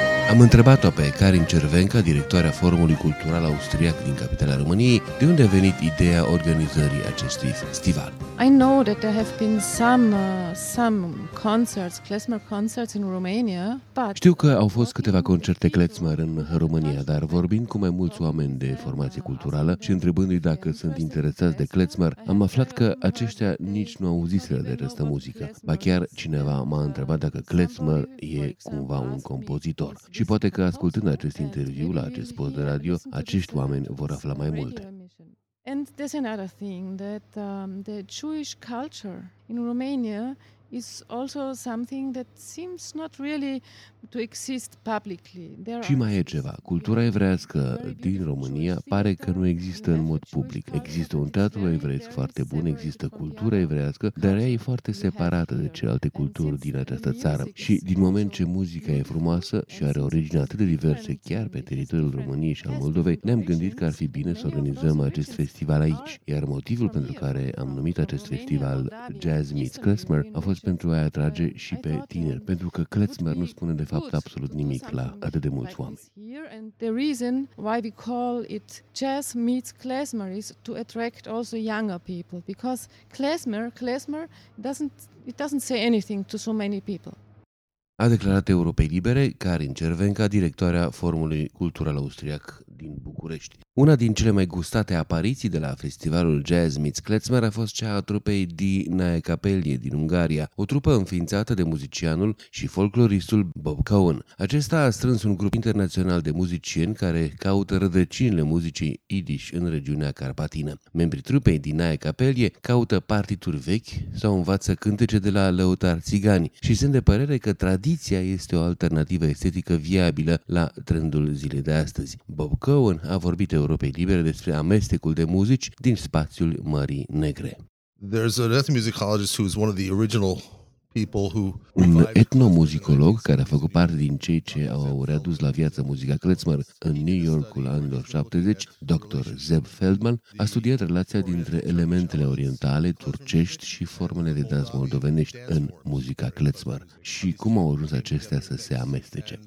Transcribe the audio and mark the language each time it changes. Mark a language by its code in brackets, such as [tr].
[ro] Am întrebat-o pe Karin Cervenca, directoarea Forumului Cultural Austriac din capitala României, de unde a venit ideea organizării acestui festival. [en] I know that there have been some concerts, klezmer concerts in Romania, but [ro] știu că au fost câteva concerte klezmer în România, dar vorbind cu mai mulți oameni de formație culturală și întrebându-i dacă sunt interesați de klezmer, am aflat că aceștia nici nu auziseră de această muzică. Ba chiar cineva m-a întrebat dacă klezmer e cumva un compozitor. Și poate că ascultând acest interviu la acest post de radio, acești oameni vor afla mai multe. [en] And there's another thing that the Jewish culture in Romania is also something that seems not really to exist publicly. [ro] Și mai e ceva. Cultura evrească din România pare că nu există în mod public. Există un teatru evreiesc foarte bun, există cultura evrească, dar ea e foarte separată de celelalte culturi din această țară. Și din moment ce muzica e frumoasă și are origini atât de diverse chiar pe teritoriul României și al Moldovei, ne-am gândit că ar fi bine să organizăm acest festival aici. Iar motivul pentru care am numit acest festival Jazz Meets Klezmer a fost pentru a-i atrage și pe tineri, pentru că klezmer nu spune de fapt absolut nimic la atât de mulți oameni. [en] The reason why we call it jazz meets klezmer is to attract also younger people, because klezmer doesn't say anything to so many people. [ro] A declarat Europei Libere Karin Cervenca, directoarea Forumului Cultural Austriac din București. Una din cele mai gustate apariții de la festivalul Jazz Meets Klezmer a fost cea a trupei Dinae Capellie din Ungaria, o trupă înființată de muzicianul și folcloristul Bob Cohen. Acesta a strâns un grup internațional de muzicieni care caută rădăcinile muzicii Yiddish în regiunea carpatină. Membrii trupei Dinae Capellie caută partituri vechi sau învață cântece de la lăutari țigani și sunt de părere că tradiția este o alternativă estetică viabilă la trendul zilei de astăzi. Bob Cohen a vorbit Europei Libere despre amestecul de muzici din spațiul Mării Negre. [en] There's an ethnomusicologist who is one of the original [ro] Un etnomuzicolog care a făcut parte din cei ce au readus la viață muzica klezmer în New Yorkul anilor 70, Dr. Zeb Feldman, a studiat relația dintre elementele orientale, turcești și formele de dans moldovenești în muzica klezmer și cum au ajuns acestea să se amestece.